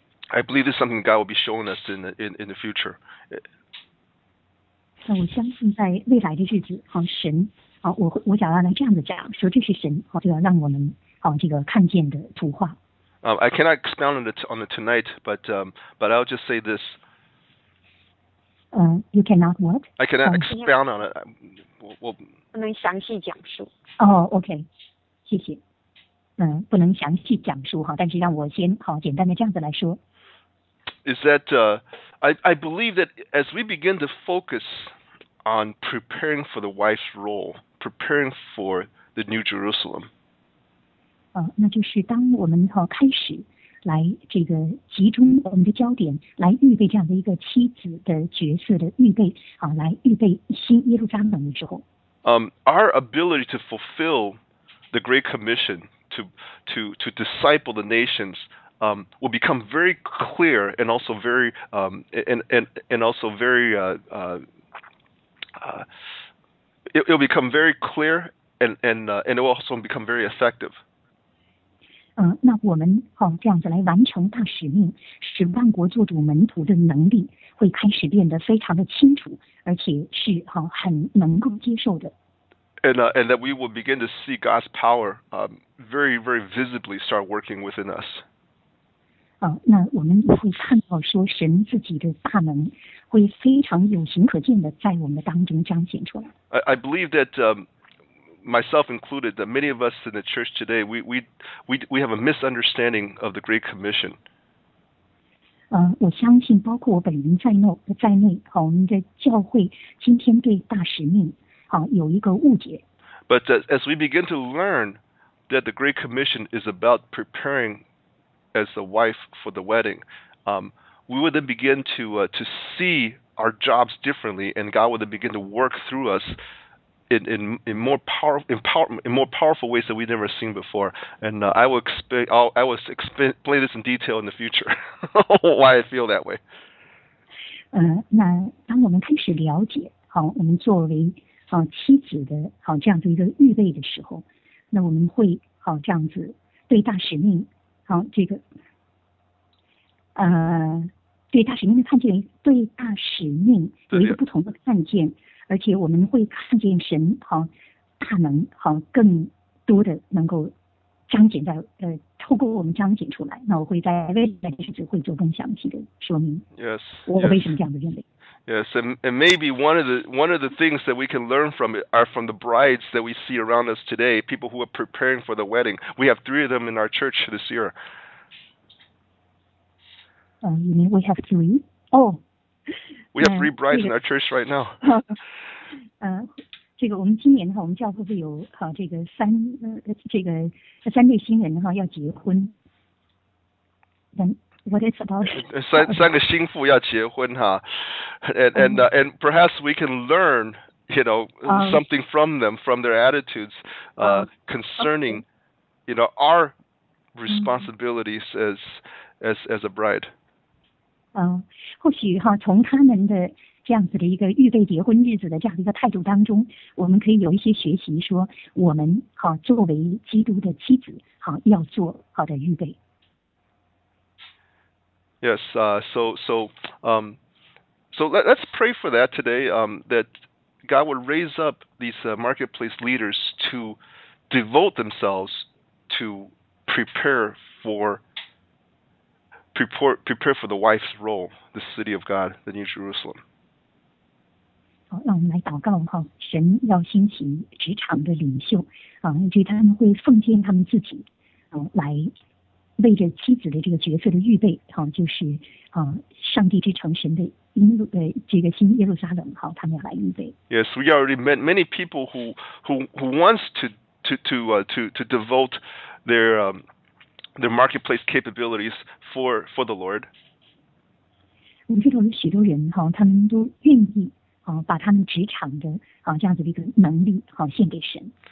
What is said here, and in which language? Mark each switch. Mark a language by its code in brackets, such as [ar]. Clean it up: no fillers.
[en] I believe this is something God will be showing us in the future. [zh] 那我相信在未来的日子，好神，好我想要来这样的讲，说这是神，好就要让我们好这个看见的图画。 [en] I cannot expound on the tonight, but I'll just say this. You cannot what? I cannot expound on it. [zh] 我不能详细讲述。 OK, 谢谢。不能详细讲述哈，但是让我先好简单的这样子来说。 [en] Is that I believe that as we begin to focus on preparing for the wife's role, preparing for the New Jerusalem. [zh] 那就是当我们开始来这个集中我们的焦点，来预备这样的一个妻子的角色的预备，来预备新耶路撒冷的时候。 [en] Our ability to fulfill the Great Commission to disciple the nations. Will become very clear and also very it'll become very clear and it will also become very effective. [zh] 那我们好这样子来完成大使命，使万国做主门徒的能力会开始变得非常的清楚，而且是好很能够接受的。 [en] And that we will begin to see God's power very very visibly start working within us. [zh] 那我们会看到说神自己的大能会非常有形可见的在我们的当中彰显出来。 [en] I believe that myself included, that many of us in the church today, we have a misunderstanding of the Great Commission. [zh] 我相信包括我本人在内，我们的教会今天对大使命有一个误解。 [en] But as we begin to learn that the Great Commission is about preparingas the wife for the wedding, we would then begin to see our jobs differently, and God would then begin to work through us in more powerful ways that we've never seen before. And I will explain this in detail in the future why I feel that way. [zh] 那当我们开始了解，好，我们作为好妻子的好这样的一个预备的时候，那我们会好这样子对大使命，好这个，对大使命的看见，对大使命有一个不同的看见，而且我们会看见神好大能好更多的能够彰显在透过我们彰显出来。那我会在未来的日子会做更详细的说明。 [en] Yes， [zh] 我为什么这样的认为？ [en] Yes, and maybe one of the things that we can learn from it are from the brides that we see around us today, people who are preparing for the wedding. We have three of them in our church this year. You mean we have three? Oh. We have three brides in our church right now. [zh] 这个我们今年哈，我们教会会有哈这个三这个三对新人哈要结婚。三个新妇要结婚哈 [en] and perhaps we can learn, you know, something from them, from their attitudes, concerning, you know, our responsibilities as a bride. [zh] 或许哈，从他们的这样子的一个预备结婚日子的这样的一个态度当中，我们可以有一些学习，说我们哈作为基督的妻子，哈要做好的预备。 [en] Yes, so let's pray for that today, that God would raise up these marketplace leaders to devote themselves to prepare for the wife's role, the city of God, the New Jerusalem. [zh] 好，让我们来祷告哈，神要兴起职场的领袖啊，以及他们会奉献他们自己啊来。为着妻子的这个角色的预备，好，就是啊，上帝之城神的这个新耶路撒冷，好，他们要来预备。 [en] Yes, we already met many people who wants to devote their marketplace capabilities for the Lord. [zh] 我们知道有许多人哈，他们都愿意啊，把他们职场的啊这样子的一个能力好献给神。